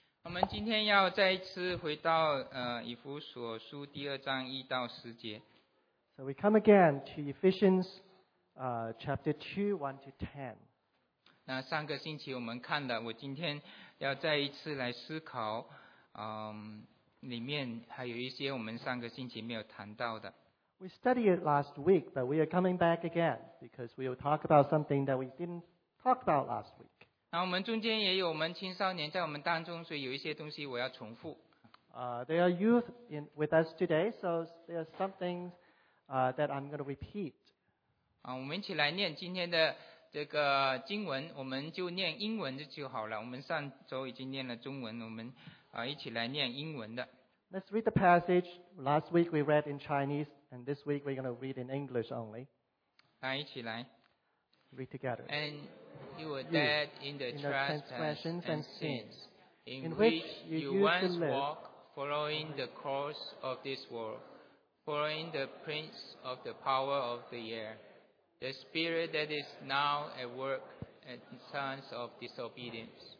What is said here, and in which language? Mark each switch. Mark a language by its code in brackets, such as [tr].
[zh] 们今天要再次回到以弗所书第二章一到十节。 [en] So we come again to Ephesians, chapter 2:1-10. [zh] 那上个星期我们看了，我今天要再一次来思考，里面还有一些我们上个星期没有谈到的。 [en] We studied it last week, but we are coming back again because we will talk about something that we didn't talk about last week. [zh] 那我们中间也有我们青少年在我们当中，所以有一些东西我要重复。 [en] There are youth in with us today, so there are some things, that I'm going to repeat. [zh] 我们一起来念今天的这个经文，我们就念英文就好了。我们上周已经念了中文，我们一起来念英文的。 [en] Let's read the passage. Last week we read in Chinese, and this week we're going to read in English only. [zh] 来，一起来。 [en] Read together. And you were dead in the transgressions and sins, in which you used once walked, following the course of this world, following the prince of the power of the air, the spirit that is now at work in sons of disobedience.